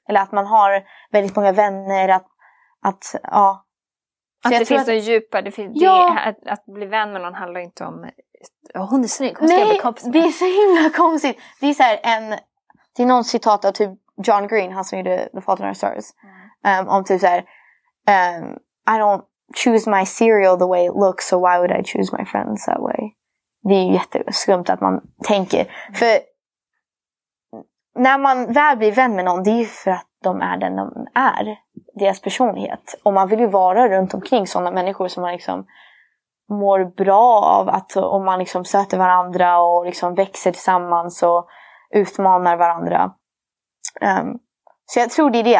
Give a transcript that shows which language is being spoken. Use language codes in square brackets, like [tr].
[sv] Eller att man har väldigt många vänner. Att ja. Så att det finns en djupa. Det finns, ja. Att bli vän med någon handlar inte om... Oh, hon är snygg. Hon, nej, ska bli kompis med. Det är så himla konstigt. Det är så här en... Det är någon citat av typ John Green. Han som gjorde The Fault in Our Stars. Om typ så här... [en] I don't choose my cereal the way it looks. So why would I choose my friends that way? [sv] Det är ju jätteskumt att man tänker. För... när man väl blir vän med någon, det är ju för att de är den de är. Deras personlighet. Och man vill ju vara runt omkring sådana människor som man liksom mår bra av. Att om man liksom söter varandra och liksom växer tillsammans och utmanar varandra. Så jag tror det är det.